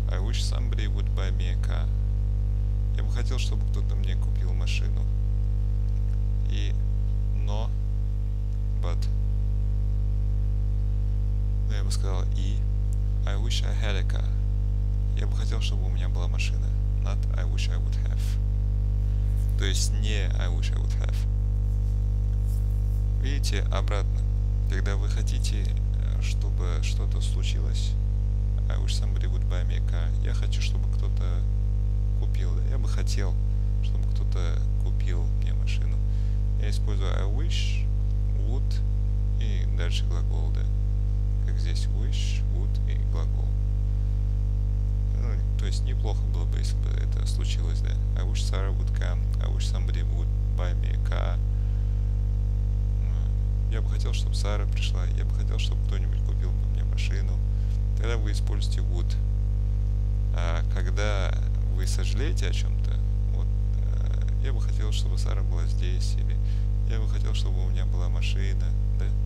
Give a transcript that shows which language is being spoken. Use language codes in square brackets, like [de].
[en] I wish somebody would buy me a car. [ru] Я бы хотел, чтобы кто-то мне купил машину. И но but, ну, я бы сказал и [en] I wish I had a car. [ru] Я бы хотел, чтобы у меня была машина. [en] Not I wish I would have. [ru] То есть не [en] I wish I would have. [ru] Видите, обратно. Когда вы хотите, чтобы что-то случилось, [en] I wish somebody would buy me a car. [ru] Я хочу, чтобы кто-то купил. Я бы хотел, чтобы кто-то купил мне машину. Я использую I wish, would и дальше глагол, да, как здесь wish, would и глагол. Ну, то есть неплохо было бы, если бы это случилось, да. [en] I wish Sarah would come, I wish somebody would buy me a car. [ru] Я бы хотел, чтобы Сара пришла, я бы хотел, чтобы кто-нибудь купил бы мне машину. Тогда вы используете would. А когда вы сожалеете о чем-то, вот, я бы хотел, чтобы Сара была здесь, или я бы хотел, чтобы у меня была машина, да?